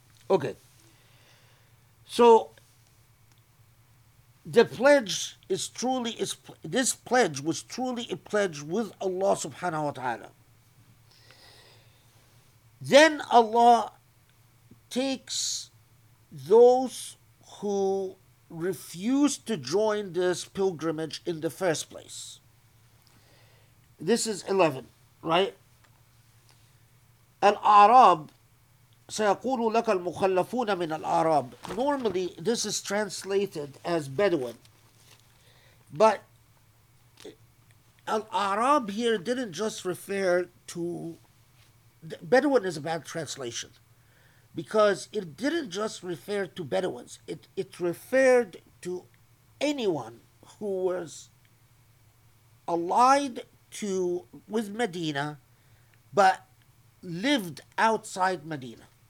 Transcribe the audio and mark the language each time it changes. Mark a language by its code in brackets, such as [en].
[en] Okay, so the pledge is truly, this pledge was truly a pledge with Allah subhanahu wa ta'ala. Then Allah takes those who refuse to join this pilgrimage in the first place. This is 11, right? [ar] Al-A'rab, سيقول لك المخلفون من الأعراب. [en] Normally, this is translated as Bedouin. But Al-A'rab here didn't just refer to... Bedouin is a bad translation. Because it didn't just refer to Bedouins. It referred to anyone who was allied with Medina, but lived outside Medina.